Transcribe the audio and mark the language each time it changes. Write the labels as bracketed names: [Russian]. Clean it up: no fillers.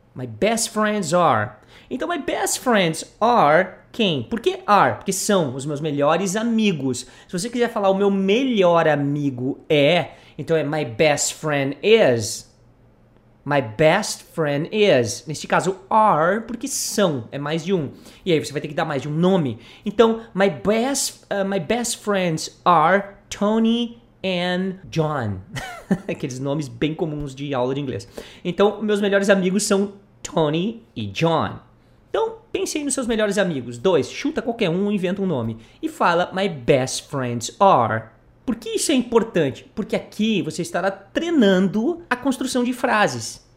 [English] My best friends are. Então, my best friends are [Portuguese] quem? Por que [English] are? [Portuguese] Porque são os meus melhores amigos. Se você quiser falar o meu melhor amigo é, então é [English] my best friend is. My best friend is. [Portuguese] Neste caso, are, porque são. É mais de um. E aí, você vai ter que dar mais de um nome. Então, [English] my best friends are Tony and John. [Portuguese] Aqueles nomes bem comuns de aula de inglês. Então, meus melhores amigos são Tony e John. Então, pense aí nos seus melhores amigos. Dois, chuta qualquer um, inventa um nome. E fala, [English] my best friends are. [Portuguese] Por que isso é importante? Porque aqui você estará treinando a construção de frases.